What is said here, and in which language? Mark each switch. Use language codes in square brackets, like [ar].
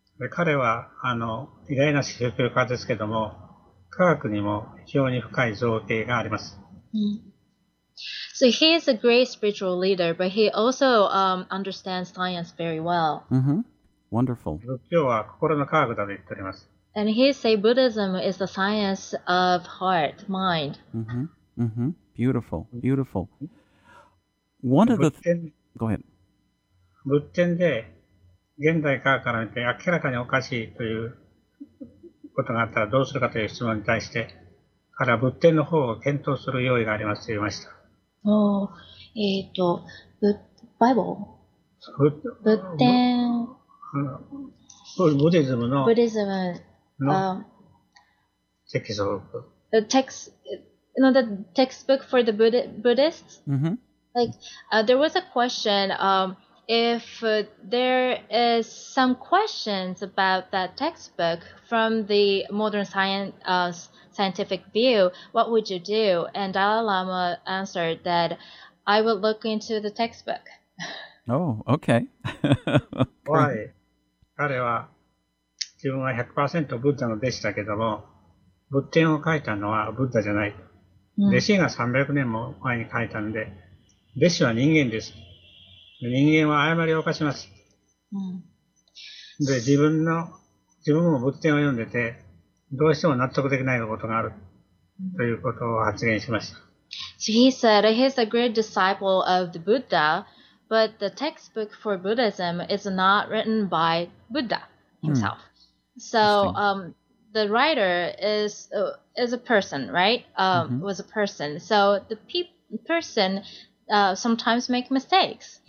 [ja] 彼は偉大な哲学家ですけども、科学にも非常に深い造形があります。 [en] So he is a great spiritual leader, but he also understands science very well. Mm-hmm. Wonderful. [ja] 仏教は心の科学だと言っております。 [en] And he say Buddhism is the science of heart, mind. Mm-hmm. Mm-hmm. Beautiful. Beautiful. One of the Go ahead. [ja] 仏典で現代科学から見て明らかにおかしいという。ことがあったらどうするかという質問に対して、から仏典の方を検討する用意がありますと言いました。バイブル？仏典。そう、ブディズムの。ブディズムの。テキストブック。 [en] The text, you know, the textbook for the Buddhists? Mm-hmm. Like, there was a question, if there is some questions about that textbook from the modern scientific view, what would you do? And Dalai Lama answered that I would look into the textbook. Oh, okay. Why? [ja] 彼は自分は 100% ブッダの弟子だけども、仏典を書いたのはブッダじゃない。弟子が300年も前に書いたので、弟子は人間です。人間は誤りを犯します。で、自分も仏典を読んでて、どうしても納得できないことがあるということを発言しました。 [en] So he said he's a great disciple of the Buddha, but the textbook for Buddhism is not written by Buddha himself. So, the writer is a person, right? Was a person. So the person sometimes make mistakes.